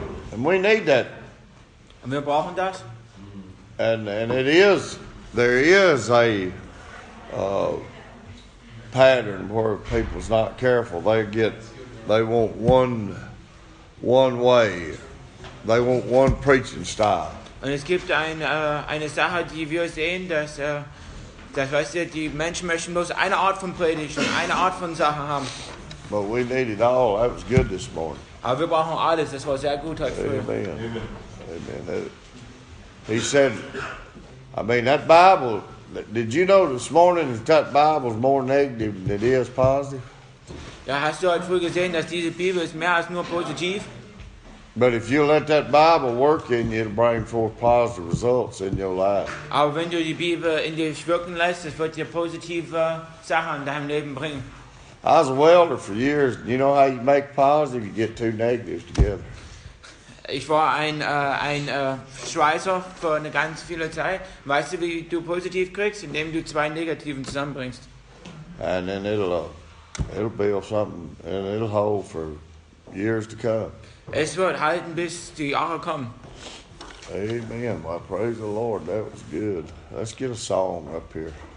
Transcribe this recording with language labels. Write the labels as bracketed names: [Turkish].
[English] And we need that. [German] Und wir brauchen das. [English] And it is, there is a pattern where if people's not careful, they want one way. They want one preaching style. [German] Und es gibt eine Sache, die wir sehen, dass das weißt du, die Menschen möchten bloß eine Art von Predigen, eine Art von Sachen haben. [English] But we need it all. That was good this morning. [German] Aber wir brauchen alles. Das war sehr gut heute früh. [English] Amen. Amen. He said, I mean, that Bible, did you know this morning that Bible is more negative than it is positive? [German] Ja, hast du heute früh gesehen, dass diese Bibel ist mehr als nur positiv? [English] But if you let that Bible work in you, it'll bring forth positive results in your life. [German] Aber wenn du die Bibel in dich wirken lässt, es wird dir positive Sachen in deinem Leben bringen. [English] I was a welder for years. You know how you make positive? You get two negatives together. [German] Ich war ein Schweißer für eine ganz viele Zeit. Weißt du, wie du positiv kriegst? Indem du zwei Negativen zusammenbringst. [English] And then it'll build something, and it'll hold for years to come. [German] Es wird halten, bis die Jahre kommen. [English] Amen. Well, praise the Lord. That was good. Let's get a song up here.